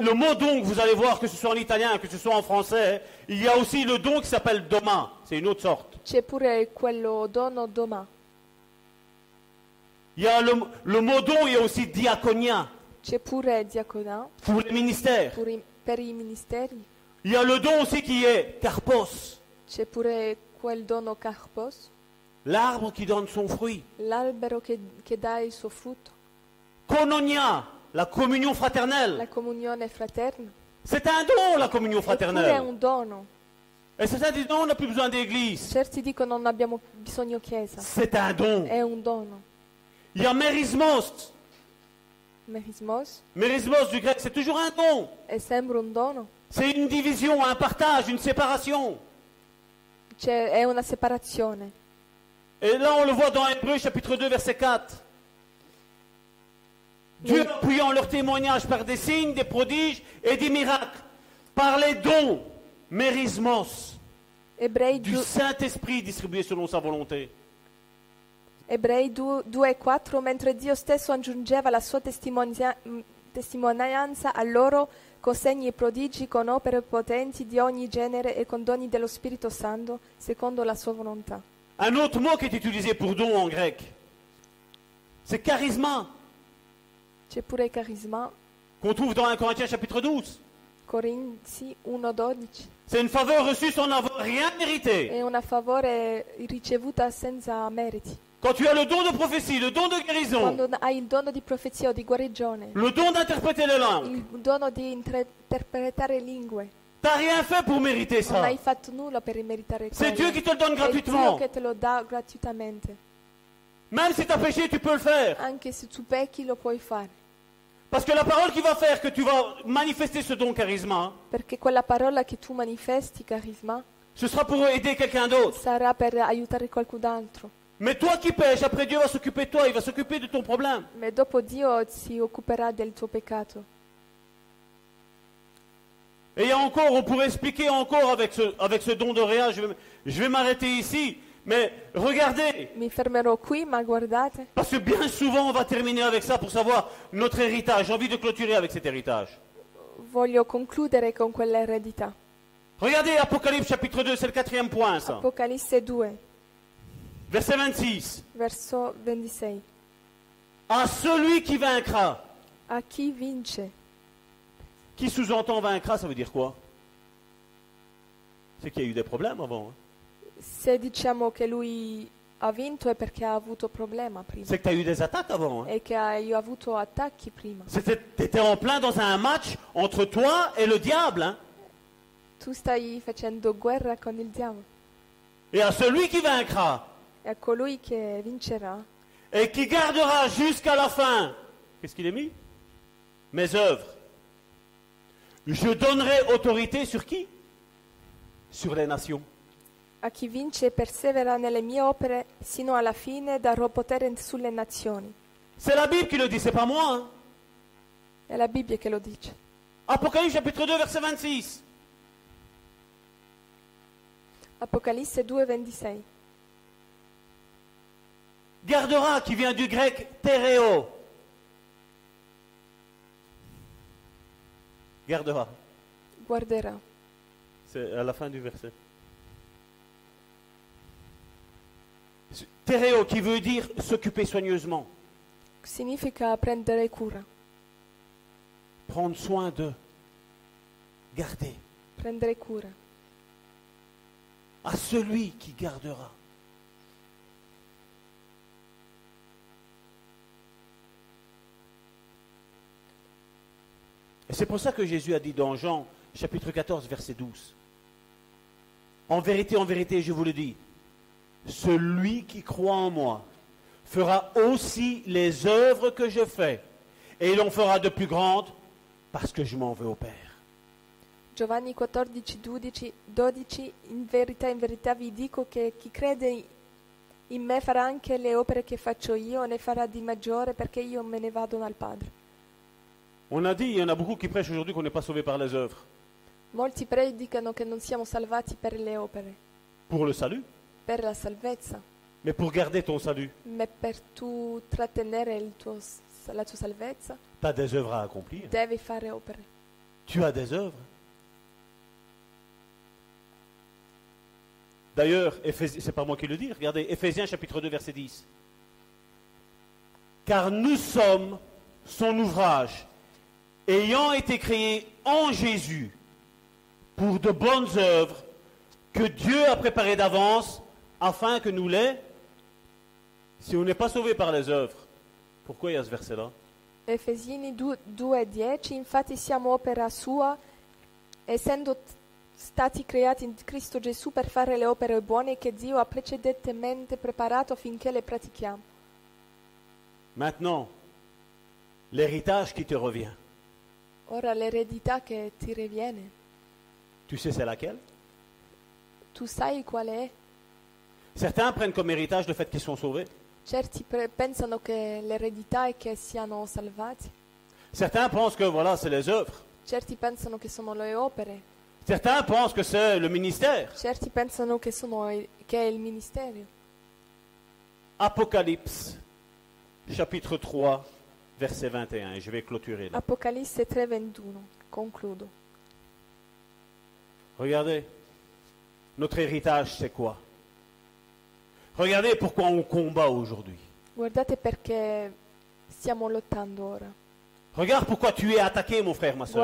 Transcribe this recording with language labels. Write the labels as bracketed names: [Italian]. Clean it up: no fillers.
[French] Le mot don, vous allez voir que ce soit en italien, que ce soit en français, il y a aussi le don qui s'appelle Doma. C'est une autre sorte. [Italian] C'è pure quello dono Doma. [French] Il y a le mot don, il y a aussi diaconia. [Italian] C'è pure diaconia. [French] Pour les ministères. [Italian] Per i ministeri. [French] Il y a le don aussi qui est carpos. [Italian] C'è pure quel dono carpos. [French] L'arbre qui donne son fruit. [Italian] L'albero che dà il suo frutto. [French] Cononia, la communion fraternelle. [Italian] La comunione fraterna. [French] C'est un don, la communion fraternelle. [Italian] C'è pure un dono. [French] Et certains disent non, on n'a plus besoin d'église. [Italian] Certi dicono non abbiamo bisogno chiesa. [French] C'est un don. [Italian] È un dono. [French] Il y a merismos. Merismos. Merismos du grec, c'est toujours un don. [Italian] È sempre un dono. [French] C'est une division, un partage, une séparation. [Italian] C'è, è una separazione. [French] Et là, on le voit dans Hébreux chapitre 2, verset 4. Dieu appuyant leur témoignage par des signes, des prodiges et des miracles, par les dons, merismos, du Saint-Esprit distribué selon sa volonté. [Italian] Ebrei 2:4, mentre Dio stesso aggiungeva la sua testimonianza a loro con segni e prodigi, con opere potenti di ogni genere e con doni dello Spirito Santo, secondo la sua volontà. [French] Un autre mot qui est utilisé pour don en grec, c'est charisma. [Italian] C'est pure charisma. [French] Qu'on trouve dans 1 Corinthiens chapitre 12. [Italian] Corinzi 1:12. [French] C'est une faveur reçue sans avoir rien mérité. [Italian] Et una favore ricevuta senza meriti. [French] Quand tu as le don de prophétie, le don de guérison. [Italian] Quando hai il dono di profezia o di guarigione. [French] Le don d'interpréter les langues. [Italian] Il dono di interpretare lingue. [French] T'as rien fait pour mériter ça. [Italian] Non hai fatto nulla per meritare quello. [French] C'est Dieu qui te le donne gratuitement. [Italian] È Dio che te lo dà gratuitamente. [French] Même si t'as péché, tu peux le faire. [Italian] Anche se tu pecchi, lo puoi fare. [French] Parce que la parole qui va faire que tu vas manifester ce don charisma. [Italian] Perché quella parola che tu manifesti charisma. [French] Ce sera pour aider quelqu'un d'autre. [Italian] Sarà per aiutare qualcun altro. [French] Mais toi qui pèches, après Dieu va s'occuper de toi, il va s'occuper de ton problème. [Italian] Mais dopo Dio si occuperà del tuo peccato. [French] Et il y a encore, on pourrait expliquer encore avec ce don de Réa, je vais m'arrêter ici, mais regardez. [Italian] Mi fermerò qui, ma guardate. [French] Parce que bien souvent on va terminer avec ça pour savoir notre héritage, j'ai envie de clôturer avec cet héritage. [Italian] Voglio concludere con quell'eredità. [French] Regardez Apocalypse chapitre 2, c'est le quatrième point ça. Apocalypse 2. Verset 26. [Italian] Verso 26. [French] À celui qui vaincra. [Italian] A chi vince. [French] Qui sous-entend vaincra, ça veut dire quoi? C'est qu'il y a eu des problèmes avant. Hein? [Italian] Se diciamo che lui ha vinto è perché ha avuto problema prima. [French] C'est que tu as eu des attaques avant. Hein? [Italian] E che hai avuto attacchi prima. [French] T'étais en plein dans un match entre toi et le diable. Hein? [Italian] Tu stai facendo guerra con il diavolo. [French] Et à celui qui vaincra. [Italian] E a colui che vincerà. [French] Et qui gardera jusqu'à la fin. Qu'est-ce qu'il a mis? Mes œuvres. Je donnerai autorité sur qui? Sur les nations. [Italian] A chi vince e persevera nelle mie opere, sino alla fine darò potere sulle nazioni. [French] C'est la Bible qui le dit, c'est pas moi. [Italian] Hein? È la Bibbia che lo dice. [French] Apocalypse chapitre 2, verset 26. Apocalypse 2, 26. Gardera, qui vient du grec tereo. Gardera. Guardera. C'est à la fin du verset. Tereo, qui veut dire s'occuper soigneusement. [Italian] Significa prendere cura. [French] Prendre soin de. Garder. [Italian] Prendere cura. [French] À celui qui gardera. Et c'est pour ça que Jésus a dit dans Jean, chapitre 14, verset 12. En vérité, je vous le dis, celui qui croit en moi fera aussi les œuvres que je fais, et il en fera de plus grandes, parce que je m'en vais au Père. [Italian] Giovanni 14, 12, 12, in verità vi dico che chi crede in me farà anche le opere che faccio io, ne farà di maggiore perché io me ne vado dal Padre. [French] On a dit, il y en a beaucoup qui prêchent aujourd'hui qu'on n'est pas sauvé par les œuvres. [Italian] Molti predicano che non siamo salvati per le opere. [French] Pour le salut. [Italian] Per la salvezza. [French] Mais pour garder ton salut. [Italian] Mais per tu trattenere il tuo, la tua salvezza. [French] T'as des œuvres à accomplir. [Italian] Devi fare opere. [French] Tu as des œuvres. D'ailleurs, c'est pas moi qui le dis, regardez, Éphésiens chapitre 2, verset 10. Car nous sommes son ouvrage, ayant été créés en Jésus pour de bonnes œuvres que Dieu a préparées d'avance afin que nous les. Si on n'est pas sauvé par les œuvres, pourquoi il y a ce verset-là? Éphésiens 2, 10. [Italian] Infatti, siamo opera sua, essendo. Stati creati in Cristo Gesù per fare le opere buone che Dio ha precedentemente preparato finché le pratichiamo. [French] Maintenant, l'héritage qui te revient. [Italian] Ora l'eredità che ti reviene. [French] Tu sais c'est laquelle? [Italian] Tu sai qual è? [French] Certains prennent comme héritage le fait qu'ils sont sauvés. [Italian] Certi pensano che l'eredità è che siano salvati. [French] Certains pensent que voilà, c'est les œuvres. [Italian] Certi pensano che sono le opere. [French] Certains pensent que c'est le ministère. [Italian] Certi pensano che sono che è il ministerio. [French] Apocalypse chapitre 3 verset 21 et je vais clôturer là. [Italian] Apocalisse 3 21 concludo. [French] Regardez. Notre héritage c'est quoi? Regardez pourquoi on combat aujourd'hui. [Italian] Guardate perché stiamo lottando ora. [French] Regarde pourquoi tu es attaqué mon frère, ma sœur.